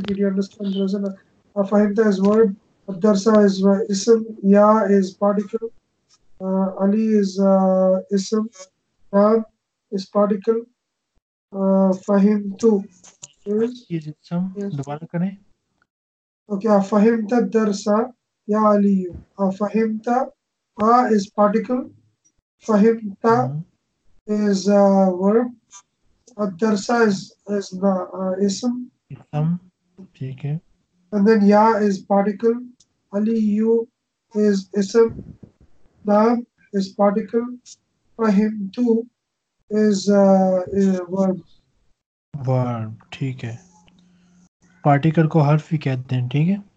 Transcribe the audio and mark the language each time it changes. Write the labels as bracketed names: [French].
[English] Did you understand the lesson? فہمت is verb, الدرس is اسم, یا is particle, علی is اسم, نام is particle, فہمت [Urdu] is اسم. دوبارہ کریں. [English] okay, [Arabic] فہمت الدرس یا علیو, [English] فہمت is particle, فہمتا is a verb, الدرس is the اسم. [Urdu] اسم, ٹھیک ہے. [English] And then یا is particle, علی is اسم, نام is particle, فہمتو is a verb. [Urdu] Verb, ٹھیک ہے. پارٹیکل کو حرف ہی کہتے ہیں, ٹھیک ہے.